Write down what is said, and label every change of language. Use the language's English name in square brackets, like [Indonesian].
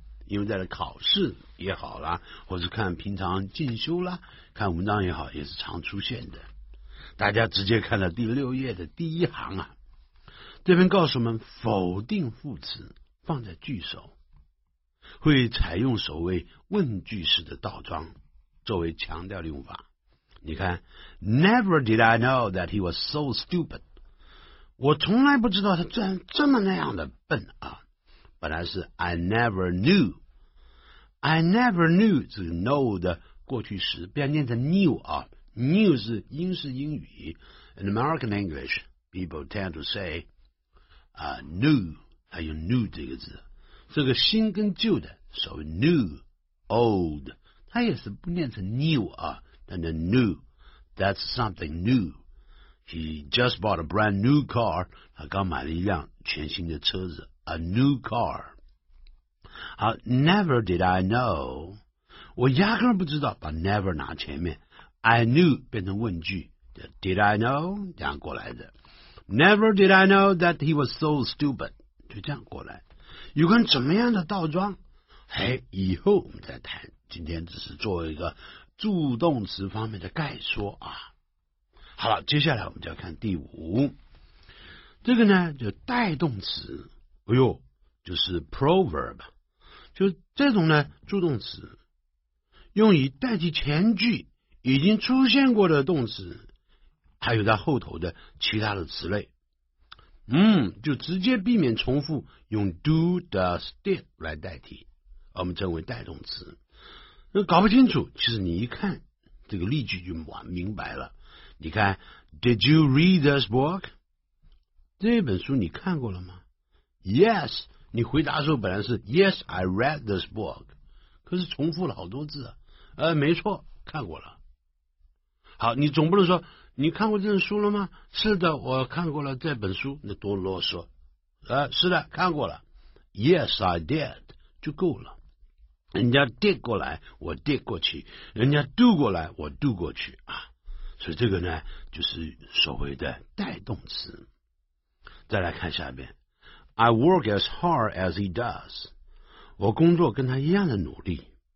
[Chinese] 因为在考试也好啦，或是看平常进修啦，看文章也好，也是常出现的。大家直接看了第六页的第一行啊，这边告诉我们否定副词放在句首，会采用所谓问句式的倒装作为强调的用法。你看 Never did I know that he was so stupid，我从来不知道他这么那样的笨啊。本来是 I never knew， I never knew 是 know 的过去时，不要念成 knew 啊。 New 是英式英语 ， In American English, people tend to say 啊、new， 还有 new 这个字，这个新跟旧的，所谓 new、old， 它也是不念成 new 啊，但是 new， that's something new。 [English] He just bought a brand new car，他刚买了一辆全新的车子，a new car。 [Chinese] 好 ， Never did I know，我压根不知道，把 never 拿前面。 [English] I knew 变成问句，Did I know 这样过来的？Never did I know that he was so stupid，就这样过来。 [Chinese] 有关怎么样的倒装？哎，以后我们再谈。今天只是做一个助动词方面的概说啊。好了，接下来我们就要看第五，这个呢就带动词。哎呦，就是 proverb， 就这种呢助动词，用以代替前句。已经出现过的动词还有它后头的其他的词类，就直接避免重复，用 do does did 来代替，我们称为带动词。那搞不清楚，其实你一看这个例句就明白了。你看 Did you read this book，这本书你看过了吗？ Yes， 你回答的时候本来是 Yes I read this book，可是重复了好多字，没错，看过了。好，你总不能说你看过这本书了吗？是的，我看过了这本书，那多啰嗦。是的，看过了。 [English] Yes, I did，就够了。 [Chinese] 人家 did 过来，我 did 过去；人家 do 过来，我 do 过去啊。所以这个呢，就是所谓的带动词。 [English] 再来看下边 ，I work as hard as he does，我工作跟他一样的努力。